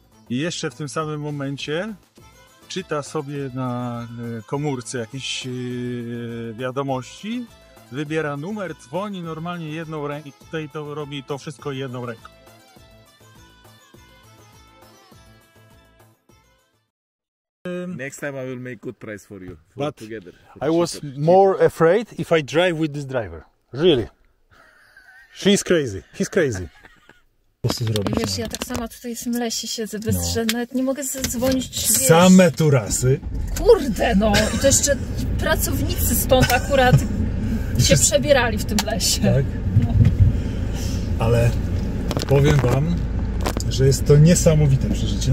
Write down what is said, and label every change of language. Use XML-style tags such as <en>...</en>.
<pl>I jeszcze w tym samym momencie czyta sobie na komórce jakieś wiadomości, wybiera numer, dzwoni normalnie jedną ręką i tutaj to robi to wszystko jedną ręką.</pl> <en>Next time I will make good price for you. For but together, for I cheaper, was more cheaper. Afraid if I drive with this driver. Really. She's crazy. He's crazy.</en> <pl>Co ty zrobisz? Wiesz, ja tak samo tutaj w tym lesie siedzę, bez no. Nawet nie mogę zadzwonić. Same tu rasy. Kurde no. I to jeszcze pracownicy stąd akurat się przebierali w tym lesie. Tak? No. Ale powiem wam, że jest to niesamowite przeżycie.</pl>